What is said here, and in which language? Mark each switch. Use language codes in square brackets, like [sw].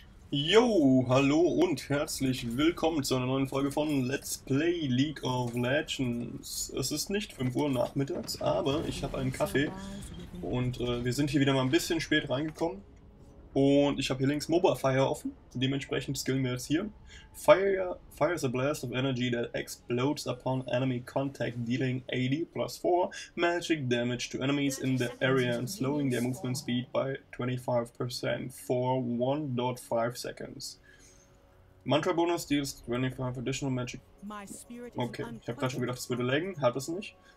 [de] Jo, hallo und herzlich willkommen zu einer neuen Folge von Let's Play League of Legends. Es ist nicht 5 Uhr nachmittags, aber ich habe einen Kaffee und wir sind hier wieder mal ein bisschen spät reingekommen. Und ich habe hier links Mobile Fire offen, dementsprechend skillen wir jetzt hier. [en] Fires a blast of energy that explodes upon enemy contact, dealing 80 plus 4 magic damage to enemies in the area and slowing their movement speed by 25% for 1.5 seconds. Mantra Bonus deals 25 additional magic. [de] Okay, ich habe gerade schon gedacht, es würde laggen, hat es nicht.